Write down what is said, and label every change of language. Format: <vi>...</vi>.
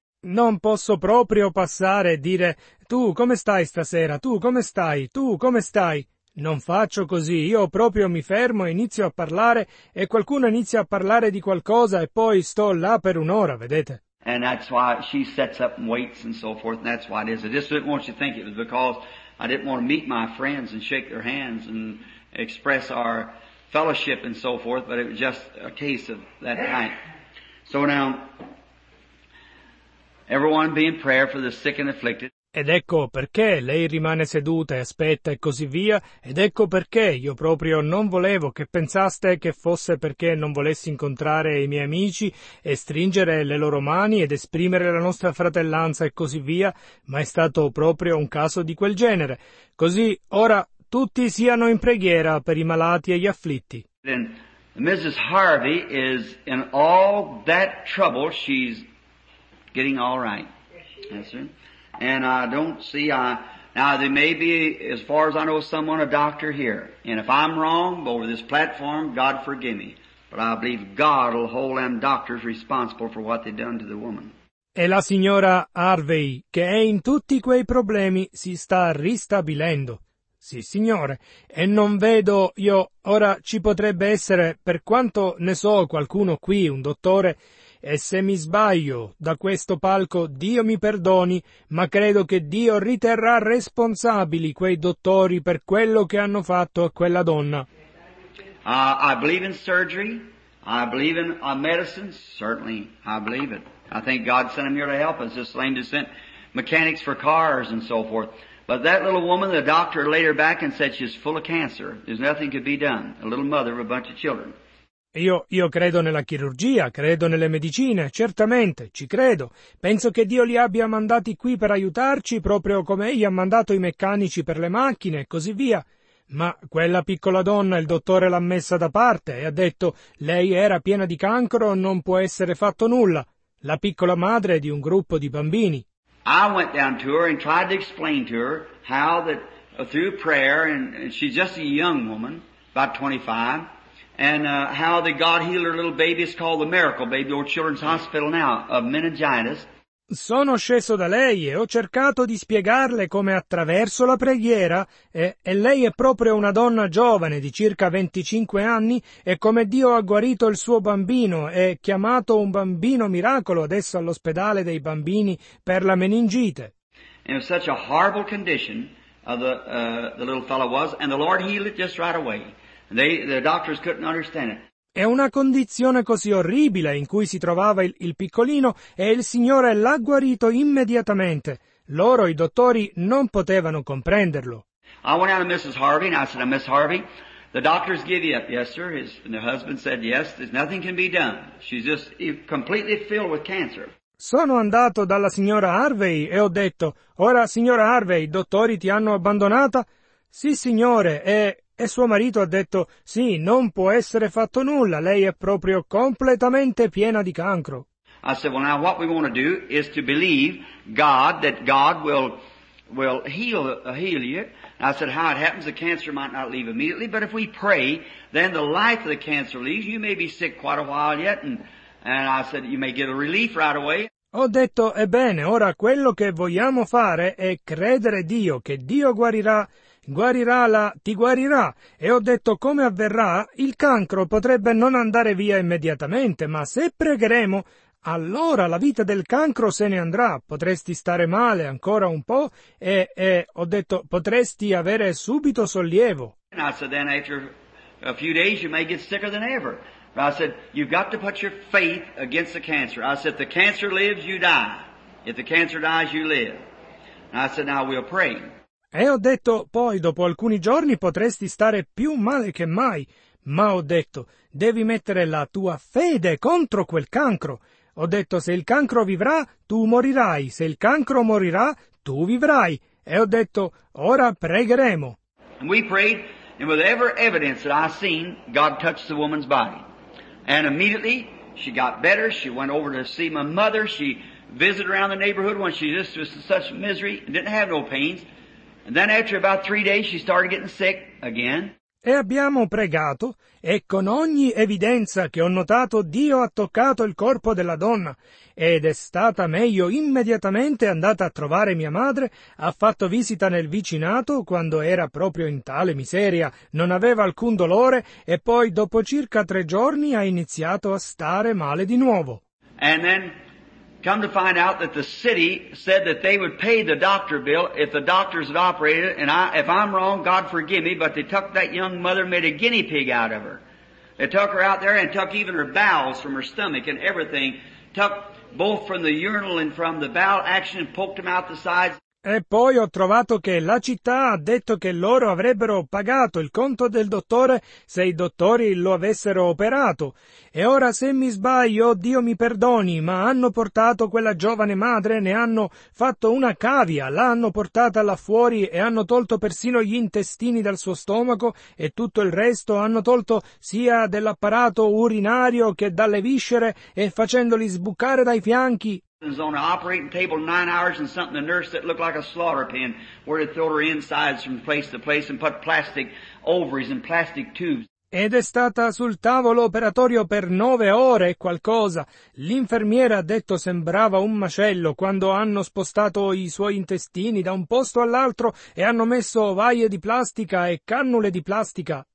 <it>Non posso proprio passare e dire, tu come stai stasera? Tu come stai? Tu come stai? Non faccio così, io proprio mi fermo e inizio a parlare e qualcuno inizia a parlare di qualcosa e poi sto là per un'ora, vedete?</it> <en>And that's why she sets up and waits and so forth, and that's why it is. I just didn't want you to think it was because I didn't want to meet my friends and shake their hands and express our fellowship and so forth, but it was just a case of that kind. So now, everyone be in prayer for the sick and afflicted.</en> <it>Ed ecco perché lei rimane seduta e aspetta e così via, ed ecco perché io proprio non volevo che pensaste che fosse perché non volessi incontrare i miei amici e stringere le loro mani ed esprimere la nostra fratellanza e così via, ma è stato proprio un caso di quel genere. Così ora tutti siano in preghiera per i malati e gli afflitti.</it> <en>And Mrs. Harvey is in all that trouble, she's getting all right. Yes, sir. And I don't see, now there may be, as far as I know, someone, a doctor here. And if I'm wrong over this platform, God forgive me. But I believe God will hold them doctors responsible for what they've done to the woman.</en> <it>E la signora Harvey, che è in tutti quei problemi, si sta ristabilendo. Sì, signore. E non vedo io, ora ci potrebbe essere, per quanto ne so, qualcuno qui, un dottore. E se mi sbaglio da questo palco, Dio mi perdoni, ma credo che Dio riterrà responsabili quei dottori per quello che hanno fatto a quella donna.</it> <en>I believe in surgery. I believe in medicine. Certainly, I believe it. I think God sent him here to help us, this lame descent, mechanics for cars and so forth. But that little woman, the doctor laid her back and said she's full of cancer. There's nothing could be done. A little mother of a bunch of children.</en> <it>Io credo nella chirurgia, credo nelle medicine, certamente, ci credo. Penso che Dio li abbia mandati qui per aiutarci, proprio come egli ha mandato i meccanici per le macchine e così via. Ma quella piccola donna, il dottore l'ha messa da parte e ha detto, lei era piena di cancro, non può essere fatto nulla. La piccola madre di un gruppo di bambini.</it> <en>I went down to her and tried to explain to her how that through prayer, and she's just a young woman, about 25, and how the God healed her little baby is called the miracle baby or children's hospital now of meningitis.</en> <it>Sono sceso da lei e ho cercato di spiegarle come attraverso la preghiera e lei è proprio una donna giovane di circa 25 anni e come Dio ha guarito il suo bambino e chiamato un bambino miracolo adesso all'ospedale dei bambini per la meningite.</it> <en>In such a horrible condition of the little fellow was, and the Lord healed it just right away. The doctors couldn't understand it.</en> <it>È una condizione così orribile in cui si trovava il piccolino e il Signore l'ha guarito immediatamente. Loro, i dottori, non potevano comprenderlo.</it> <en>I went out to Mrs. Harvey and I said, Miss Harvey, the doctors give you up. Yes, sir. And her husband said, yes, there's nothing can be done. She's just completely filled with cancer.</en> <it>Sono andato dalla signora Harvey e ho detto, ora, signora Harvey, i dottori ti hanno abbandonata? Sì, signore, e suo marito ha detto, sì, non può essere fatto nulla, lei è proprio completamente piena di cancro.</it> <en>I said, well now what we want to do is to believe God, that God will heal you. And I said, how it happens, the cancer might not leave immediately, but if we pray, then the life of the cancer leaves, you may be sick quite a while yet, and I said, you may get a relief right away.</en> <it>Ho detto, ebbene, ora quello che vogliamo fare è credere Dio, che Dio guarirà. Guarirà la, ti guarirà. E ho detto come avverrà, il cancro potrebbe non andare via immediatamente, ma se pregheremo, allora la vita del cancro se ne andrà, potresti stare male ancora un po', e ho detto potresti avere subito sollievo.</it> <en>And I said, then after a few days you may get sicker than ever. But I said, you've got to put your faith against the cancer. I said, if the cancer lives, you die. If the cancer dies, you live. And I said, now we'll pray.</en> <it>E ho detto, poi dopo alcuni giorni potresti stare più male che mai, ma ho detto, devi mettere la tua fede contro quel cancro. Ho detto, se il cancro vivrà, tu morirai. Se il cancro morirà, tu vivrai. E ho detto, ora pregheremo.</it> <en>And we prayed, and with every evidence that I seen, God touched the woman's body. And immediately, she got better. She went over to see my mother. She visited around the neighborhood when she just was in such misery, didn't have no pains. And then after about 3 days, she started getting sick again.</en> <it>E abbiamo pregato, e con ogni evidenza che ho notato, Dio ha toccato il corpo della donna, ed è stata meglio immediatamente andata a trovare mia madre, ha fatto visita nel vicinato quando era proprio in tale miseria, non aveva alcun dolore, e poi dopo circa 3 giorni ha iniziato a stare male di nuovo.</it> <en>And then come to find out that the city said that they would pay the doctor bill if the doctors had operated, and if I'm wrong, God forgive me, but they took that young mother, made a guinea pig out of her. They took her out there and took even her bowels from her stomach and everything, took both from the urinal and from the bowel action and poked them out the sides.</en> <it>E poi ho trovato che la città ha detto che loro avrebbero pagato il conto del dottore se i dottori lo avessero operato. E ora, se mi sbaglio, Dio mi perdoni, ma hanno portato quella giovane madre, ne hanno fatto una cavia, l'hanno portata là fuori e hanno tolto persino gli intestini dal suo stomaco e tutto il resto, hanno tolto sia dell'apparato urinario che dalle viscere e facendoli sbucare dai fianchi.</it> <en>On an operating table 9 hours and something, the nurse that looked like a slaughter pen where they throw her insides from place to place and put plastic ovaries and plastic tubes.</en> <it>Ed è stata sul tavolo operatorio per 9 ore e qualcosa. L'infermiera ha detto sembrava un macello quando hanno spostato i suoi intestini da un posto all'altro e hanno messo ovaie di plastica e cannule di plastica.</it>